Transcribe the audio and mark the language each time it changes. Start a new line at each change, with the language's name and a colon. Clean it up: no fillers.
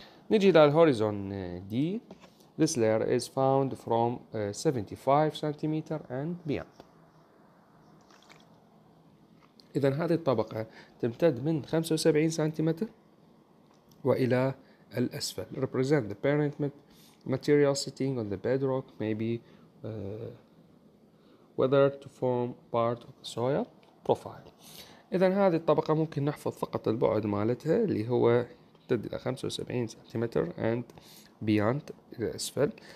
Arabic: نجي إلى الهوريزون دي.
English: This layer is found from 75 centimetre and beyond.
Arabic: إذن هذه الطبقة تمتد من 75 سنتيمتر وإلى الأسفل.
English: Represent the parent material sitting on the bedrock maybe weathered to form part of the soil profile.
Arabic: إذن هذه الطبقة ممكن نحفظ فقط البعد مالتها اللي هو تمتد إلى 75 سنتيمتر
English: and beyond
Arabic: إلى الأسفل.